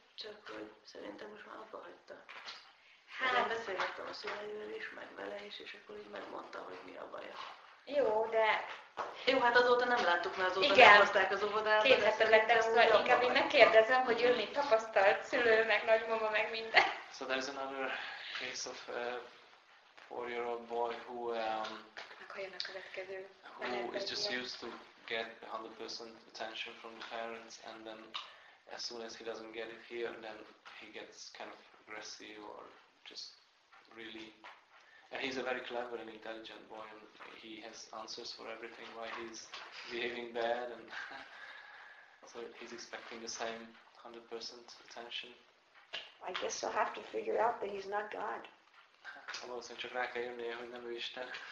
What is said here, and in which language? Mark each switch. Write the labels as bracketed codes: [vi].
[hu] Csak hogy szerintem most már abba hagyta. Hát, én beszélgettem a szüleivel is, meg vele is, és akkor így megmondta, hogy mi a baja. Jó, de... Jó, hát azóta nem láttuk, mert azóta elhozták az óvodát. Két hete lettem, szóval inkább én megkérdezem, hogy ő mit tapasztalt, szülő, meg nagymama, meg minden. [en] So there's another case of a 4-year-old boy who... [hu] Akkor jön a következő. [en] Who is just used to get 100% attention from the parents, and then as soon as he doesn't get it here, then he gets kind of aggressive or... Just really, and he's a very clever and intelligent boy, and he has answers for everything why he's behaving bad, and so he's expecting the same 100% attention. I guess I'll have to figure out that he's not God. [hu] Valószínűleg csak rá kell jönnie, hogy nem ő Isten.